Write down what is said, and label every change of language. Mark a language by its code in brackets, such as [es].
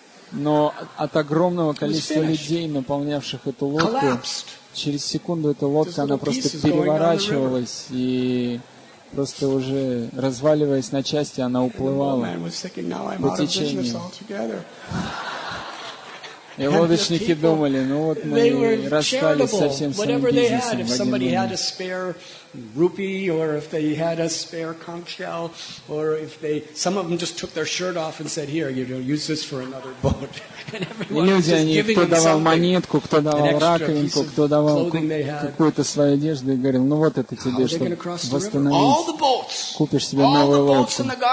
[ru] Но от огромного количества людей, наполнявших эту лодку, через секунду эта лодка, она просто переворачивалась и просто уже разваливаясь на части, она уплывала по течению. И лодочники думали, ну вот мы расстались со всем своим бизнесом. [en] If somebody had a spare rupee, or if they had a spare conch shell, or if they, some of them just took their shirt off and said, here, you know, use this for another boat. [ru] И люди, они, кто давал монетку, кто давал раковинку, кто давал какую-то свою одежду, и говорил, ну вот это тебе, чтобы восстановить, купишь себе новую лодку.